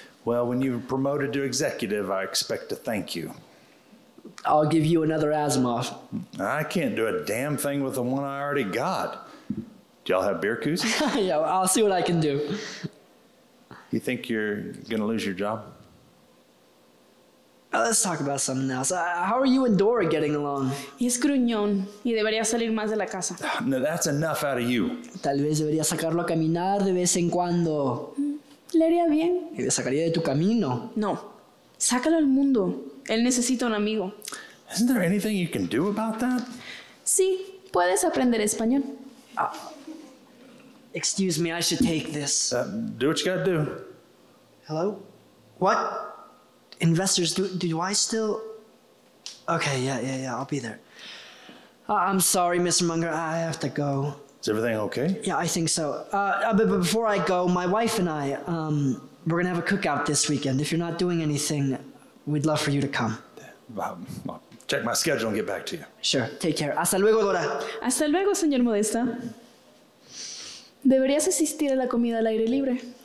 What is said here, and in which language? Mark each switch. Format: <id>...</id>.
<en>Well, when you're promoted to executive, I expect to thank you. I'll give you another Asimov. I can't do a damn thing with the one I already got. Do y'all have beer koozies? Yeah, well, I'll see what I can do. You think you're going to lose your job? Let's talk about something else. How are you and Dora getting along?</en> <es>Es gruñón y debería salir más de la casa.</es> <en>No, that's enough out of you.</en> <es>Tal vez debería sacarlo a caminar de vez en cuando. Le haría bien. Y le sacaría de tu camino. No, sácalo al mundo. Él necesita un amigo.</es> <en>Isn't there anything you can do about that?</en> <es>Sí, puedes aprender español.</es> <en>Excuse me, I should take this. Do what you gotta do. Hello? What? Investors, do I still... Okay, yeah, I'll be there. I'm sorry, Mr. Munger, I have to go. Is everything okay? Yeah, I think so. But before I go, my wife and I, we're gonna have a cookout this weekend. If you're not doing anything, we'd love for you to come. I'll check my schedule and get back to you. Sure, take care.</en> <es>Hasta luego,</es> <en>Dora.</en> <es>Hasta luego, señor Modesta. Deberías asistir a la comida al aire libre.</es>